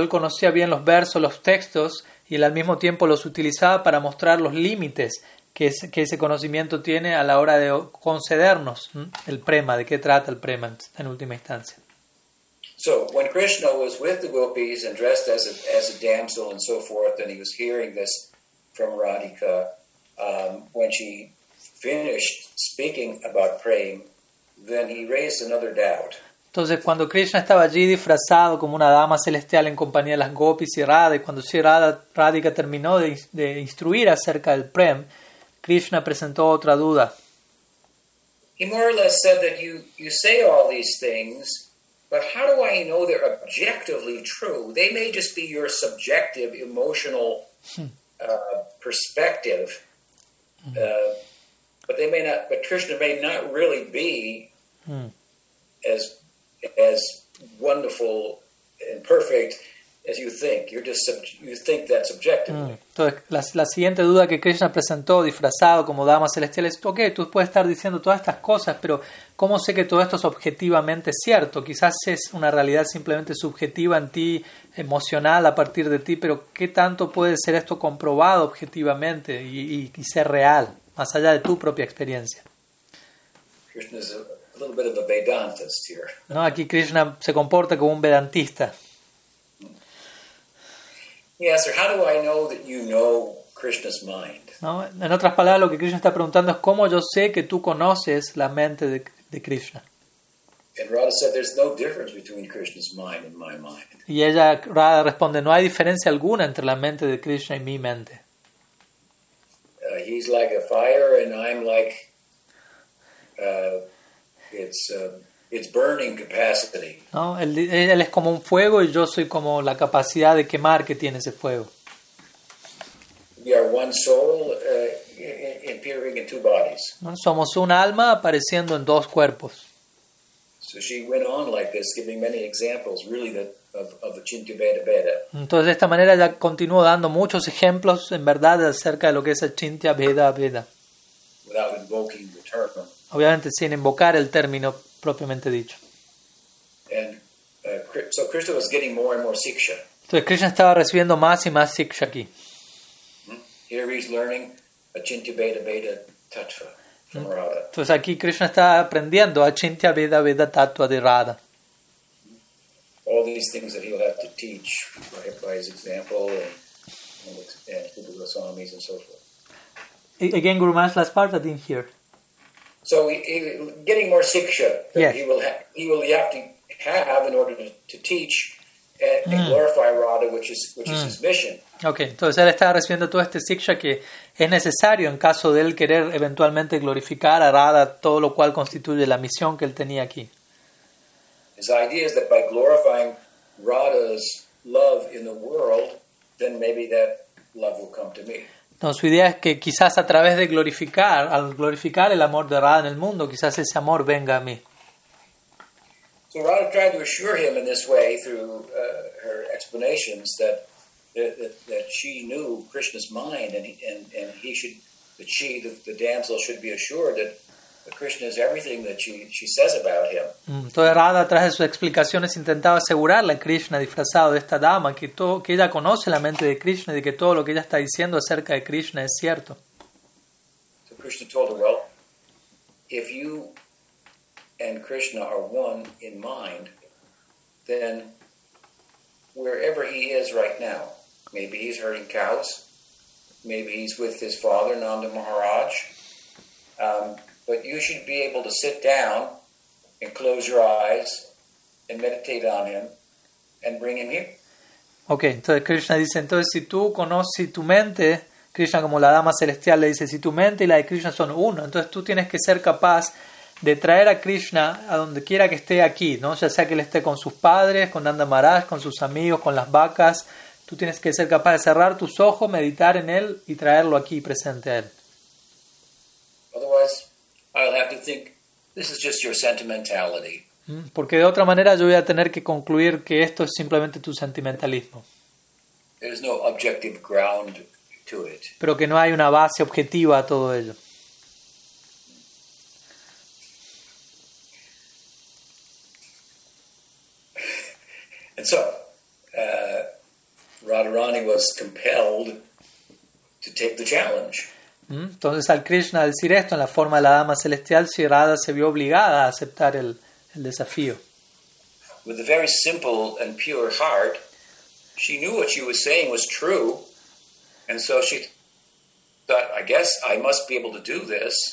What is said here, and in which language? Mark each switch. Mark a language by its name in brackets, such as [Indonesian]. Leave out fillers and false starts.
[Spanish] Él conocía bien los versos, los textos, y él al mismo tiempo los utilizaba para mostrar los límites que ese conocimiento tiene a la hora de concedernos el prema, de qué trata el prema en última instancia. [English] So when Krishna was with the gopis and dressed as a damsel and so forth, and he was hearing this from Radhika, when she finished speaking about prema, then he raised another doubt. [Spanish] Entonces cuando Krishna estaba allí disfrazado como una dama celestial en compañía de las gopis y Radha, y cuando Radhika terminó de instruir acerca del prema, Krishna presentó otra duda. [English] He more or less said that you say all these things, but how do I know they're objectively true? They may just be your subjective emotional perspective, but they may not. But Krishna may not really be as wonderful and perfect as you think. You think that's objectively. [Spanish] Entonces, la siguiente duda que Krishna presentó disfrazado como dama celestial es, ok, tú puedes estar diciendo todas estas cosas, pero ¿cómo sé que todo esto es objetivamente cierto? Quizás es una realidad simplemente subjetiva en ti, emocional a partir de ti, pero ¿qué tanto puede ser esto comprobado objetivamente y ser real, más allá de tu propia experiencia? [English] Krishna is a little bit of a Vedantist here. [Spanish] No, aquí Krishna se comporta como un Vedantista. [English] Yes, or how do I know that you know Krishna's mind? [Spanish] No, en otras palabras, lo que Krishna está preguntando es cómo yo sé que tú conoces la mente de Krishna. [English] And Radha said, "There's no difference between Krishna's mind and my mind." [Spanish] Y ella, Radha, responde, no hay diferencia alguna entre la mente de Krishna y mi mente. [English] He's like a fire, and I'm like it's burning capacity. [Spanish] No, él es como un fuego y yo soy como la capacidad de quemar que tiene ese fuego. [English] We are one soul appearing in two bodies. [Spanish] No, somos un alma apareciendo en dos cuerpos. [English] So she went on like this, giving many examples, really, of the Chintya Veda. [Spanish] Entonces de esta manera ya continuó dando muchos ejemplos, en verdad, acerca de lo que es el Chintya Veda. [English] Without invoking the term. [Spanish] Obviamente sin invocar el término propiamente dicho. [English] So Krishna was getting more and more siksha. [Spanish] Entonces Krishna estaba recibiendo más y más siksha aquí. [English] Here he's learning Achintya Veda Veda Tattva from Radha. [Spanish] Entonces aquí Krishna está aprendiendo Achintya Veda Veda Tattva de Radha. [English] All these things that he'll have to teach by his example and through the Rasa-lilas and so forth. Again, Guru Maharaj, last part I didn't hear. So he getting more siksha that he will have to have in order to teach and glorify Radha, which is his mission. [Spanish] Okay, entonces él está recibiendo todo este siksha que es necesario en caso de él querer eventualmente glorificar a Radha, todo lo cual constituye la misión que él tenía aquí. [English] His idea is that by glorifying Radha's love in the world, then maybe that love will come to me. [Spanish] No, su idea es que quizás a través de glorificar, al glorificar el amor de Radha en el mundo, quizás ese amor venga a mí. [English] So Radha tried to assure him in this way through her explanations that that she knew Krishna's mind and he should, that she, the damsel, should be assured that Krishna is everything that she says about him. [Spanish] Entonces Radha, a través de sus explicaciones, intentaba asegurarle a Krishna, disfrazado de esta dama, que todo, que ella conoce la mente de Krishna y que todo lo que ella está diciendo acerca de Krishna es cierto. [English] So Krishna told her, well, if you and Krishna are one in mind, then wherever he is right now, maybe he's herding cows, maybe he's with his father, Nanda Maharaj, but you should be able to sit down and close your eyes and meditate on him and bring him here. [Spanish] Okay, entonces Krishna dice, entonces si tú conoces, si tu mente, Krishna como la dama celestial le dice, si tu mente y la de Krishna son uno, entonces tú tienes que ser capaz de traer a Krishna a donde quiera que esté aquí, ¿no? Ya sea que él esté con sus padres, con Nanda Maharaj, con sus amigos, con las vacas. Tú tienes que ser capaz de cerrar tus ojos, meditar en él y traerlo aquí presente a él. [English] Otherwise, I'll have to think, this is just your sentimentality. [Spanish] Porque de otra manera yo voy a tener que concluir que esto es simplemente tu sentimentalismo. [English] There's no objective ground to it. [Spanish] Pero que no hay una base objetiva a todo ello. [English] And so, Radharani was compelled to take the challenge. [Spanish] Entonces, al Krishna decir esto en la forma de la dama celestial, si Radha se vio obligada a aceptar el desafío. [English] With a very simple and pure heart, she knew what she was saying was true, and so she thought, I guess I must be able to do this.